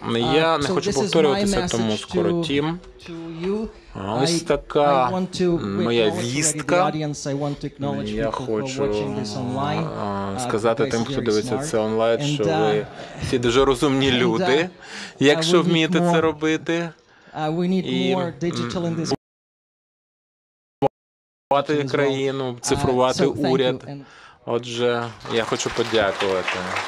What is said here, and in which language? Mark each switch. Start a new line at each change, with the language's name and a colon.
Ukrainian: Я не хочу повторюватися, тому скоротім. Ось така моя вістка. Я хочу сказати тим, хто дивиться це онлайн, що ви всі дуже розумні люди, якщо вмієте це робити.
English: We need more digital in this
Ukrainian: цифрувати країну, цифрувати уряд. Отже, я хочу подякувати.